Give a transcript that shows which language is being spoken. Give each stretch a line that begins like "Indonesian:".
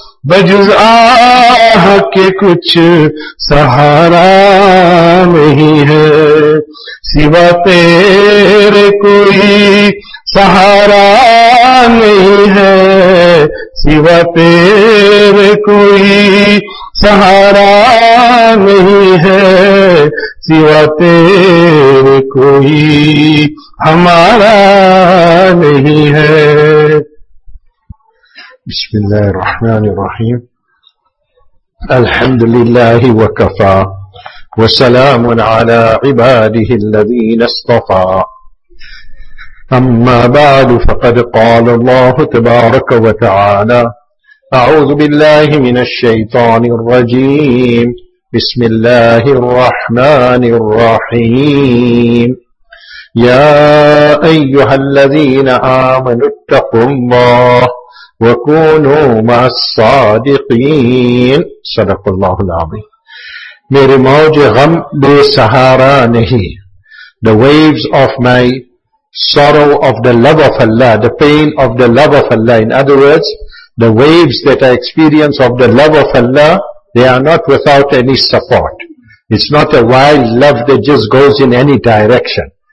Urdu: بجز آہ کے کچھ سہارا نہیں ہے, سوا تیرے کوئی سہارا نہیں ہے, سوا تیرے کوئی سہارا نہیں ہے, سوا تیرے کوئی ہمارا نہیں ہے.
Arabic: بسم اللہ الرحمن الرحیم. الحمد للہ وکفا وسلام على عباده الذين اصطفى, اما بعد فقد قال الله تبارك وتعالى, اعوذ بالله من الشيطان الرجيم, بسم الله الرحمن الرحيم يا أيها الذين آمنوا اتقوا الله وكونوا مع الصادقين صدق الله العظيم.
Urdu: میرے موج غم بے سہارا نہیں.
English: The waves of my sorrow of the love of Allah, the pain of the love of Allah, in other words, the waves that I experience of the love of Allah, they are not without any support. It's not a wild love that just goes in any direction.